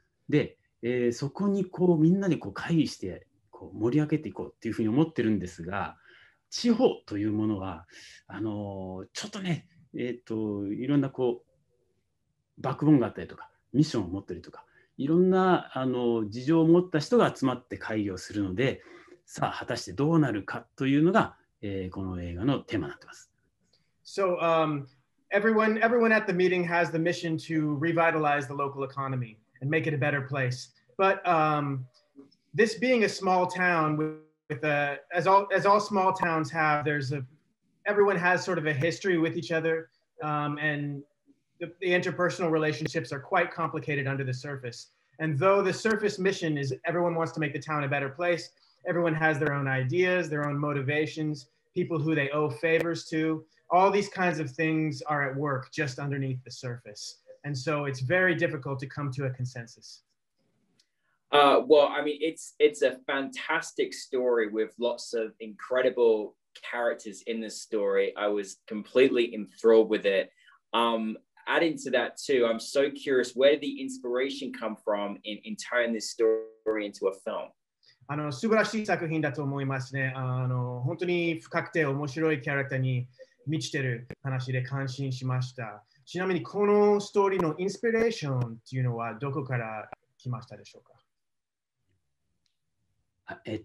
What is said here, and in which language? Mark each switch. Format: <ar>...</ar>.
<ja>で、そこにこうみんなでこう会議してこう盛り上げていこうっていうふうに思ってるんですが、地方というものはちょっとね、いろんなこうバックボーンがあったりとか、ミッションを持ったりとか、いろんな事情を持った人が集まって会議をするので、さあ果たしてどうなるかというのが、この映画のテーマになってます。</ja> <en>So, everyone at the meeting has the mission to revitalize the local economy and make it a better place. But, this being a small town with a, as all small towns have, everyone has sort of a history with each other, andThe interpersonal relationships are quite complicated under the surface. And though the surface mission is everyone wants to make the town a better place, everyone has their own ideas, their own motivations, people who they owe favors to. All these kinds of things are at work just underneath the surface. And so it's very difficult to come to a consensus. It's a fantastic story with lots of incredible characters in this story. I was completely enthralled with it. Adding to that too, I'm so curious, where did the inspiration come from in turning this story into a film?</en> <ja>素晴らしい作品だと思いますね。本当に深くて面白いキャラクターに満ちてる話で感心しました。ちなみにこのストーリーのインスピレーションというのはどこから来ましたでしょうか？</ja>